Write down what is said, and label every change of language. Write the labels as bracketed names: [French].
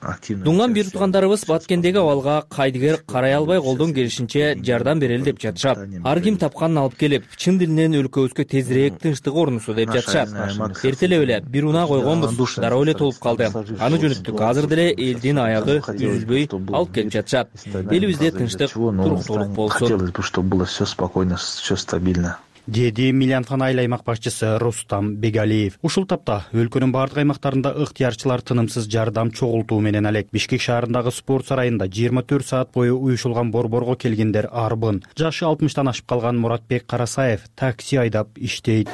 [Kyrgyz] Дунган бир туугандарыбыз Баткендеги абалга кайдыгер карай албай колдон келишинче жардам берели деп жатышат. Ар ким тапканын алып келип, чын дилинен өлкөбүзгө тезирээк тынчтык орнусу деп жатышат. Эртелеп эле бир унаа койгонбуз, дароо эле толуп калды. Аны жөнөттүк. Азыр деле элдин аягы үзбөй алып келип жатышат. Элибизде тынчтык туруктуулук болсун. [Russian] Хотелось бы, чтобы было всё спокойно, всё стабильно. [Kyrgyz] Деди Милянфан айыл аймак башчысы Рустам Бегалиев. Ушул тапта өлкөнүн бардык аймактарында ыктыярчылар тынымсыз жардам чогултуу менен алек. Бишкек шаарындагы спорт сарайында 24 саат бою уюшулган борборго келгендер арбын. Жашы 60-тан ашып калган Муратбек Карасаев такси айдап иштейт.